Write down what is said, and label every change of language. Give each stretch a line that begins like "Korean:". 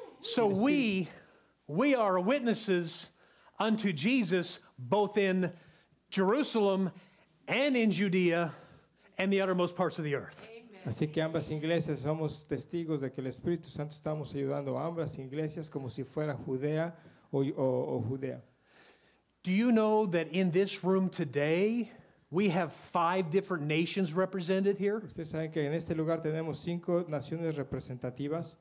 English: So we are witnesses unto Jesus both in Jerusalem and in Judea and the uttermost parts of the earth.
Spanish: Así que ambas iglesias somos testigos de que el Espíritu Santo estamos ayudando a ambas iglesias como si fuera Judea o Judea.
English: Do you know that in this room today we have 5 different nations represented here?
Spanish: ¿Ustedes saben que en este lugar tenemos 5 naciones representativas?